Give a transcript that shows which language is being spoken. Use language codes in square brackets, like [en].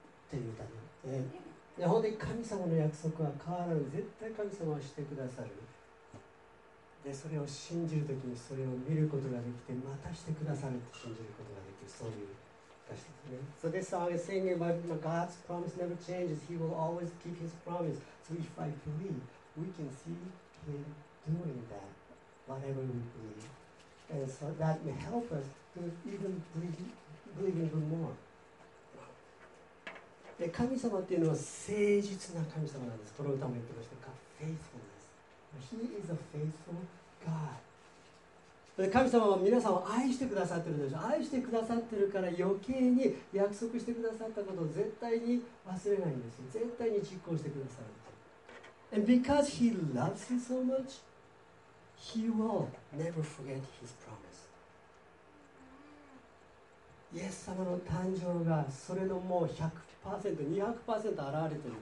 [ja] という歌で、本当に神様の約束は変わらない、絶対神様はしてくださる。でそれを信じるときにそれを見ることができて、またしてくださると信じることができる、そういう歌詞ですね。 [en] So this song is singing about God's promise never changes. He will always keep his promise. So if I believe, we can see him doing that whatever we believe. And so that may help us to even believe even more. [ja] で神様っていうのは誠実な神様なんです。この歌も言ってましたか、 [en] faithfulness. He is a faithful God. [ja] で神様は皆さんを愛してくださってるでしょ。愛してくださってるから余計に約束してくださったことを絶対に忘れないんですよ。絶対に実行してくださる。 [en] And because he loves you so much, he will never forget his promise. [ja] イエス様の誕生がそれのもう 100%、200% 現れてるイベントだと思う。